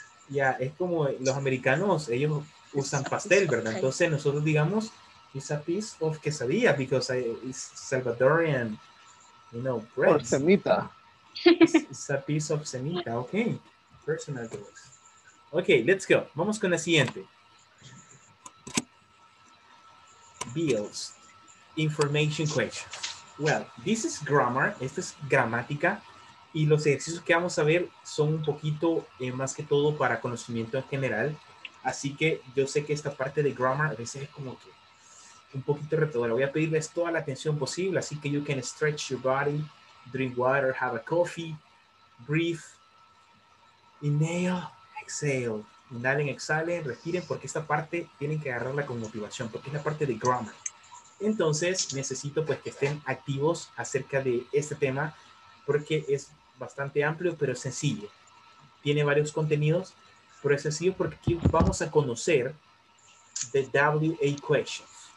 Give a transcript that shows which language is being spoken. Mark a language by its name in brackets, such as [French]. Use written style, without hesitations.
[Spanish] Yeah, es como los americanos, ellos usan pastel, ¿verdad? [English] Entonces nosotros digamos, it's a piece of quesadilla because it's Salvadorian, you know, bread. Or semita. It's a piece of semita. Okay. Personal choice. Okay, let's go. Vamos con la siguiente. Bills. Information question. Well, this is grammar. [Spanish] Esta es gramática. Y los ejercicios que vamos a ver son un poquito más que todo para conocimiento en general. Así que yo sé que esta parte de grammar a veces es como que un poquito retadora. Voy a pedirles toda la atención posible. [English] Así que you can stretch your body, drink water, have a coffee, breathe, inhale, exhale. [Spanish] Inhalen, exhalen, respiren, porque esta parte tienen que agarrarla con motivación, porque es la parte de grammar. Entonces, necesito pues que estén activos acerca de este tema, porque es bastante amplio, pero sencillo. Tiene varios contenidos, pero es sencillo porque aquí vamos a conocer the WA questions.